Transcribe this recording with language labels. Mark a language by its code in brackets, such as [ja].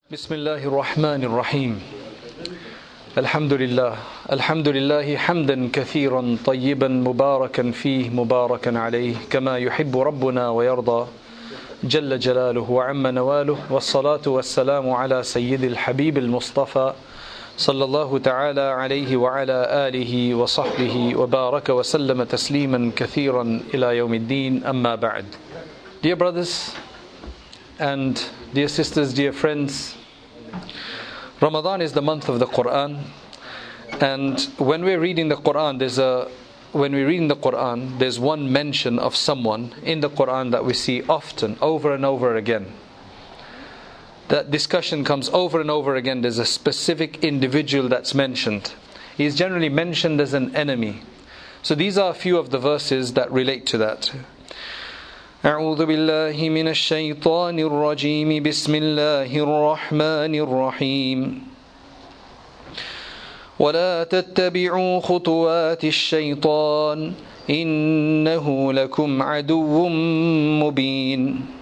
[ar] بسم الله الرحمن الرحيم الحمد لله الحمد لله حمدا كثيرا طيبا مباركا فيه مباركا عليه كما يحب ربنا ويرضى جل جلاله وعم نواله والصلاة والسلام على سيد الحبيب المصطفى صلى الله تعالى عليه وعلى آله وصحبه وبارك وسلم تسليما كثيرا إلى يوم الدين أما بعد. [en] Dear brothers and dear sisters, dear friends, Ramadan is the month of the Quran, and when we're reading the Quran, there's one mention of someone in the Quran that we see often, over and over again. That discussion comes over and over again. There's a specific individual that's mentioned. He's generally mentioned as an enemy. So these are a few of the verses that relate to that. [ar] أعوذ بالله من الشيطان الرجيم بسم الله الرحمن الرحيم ولا تتبعوا خطوات الشيطان إنه لكم عدو مبين.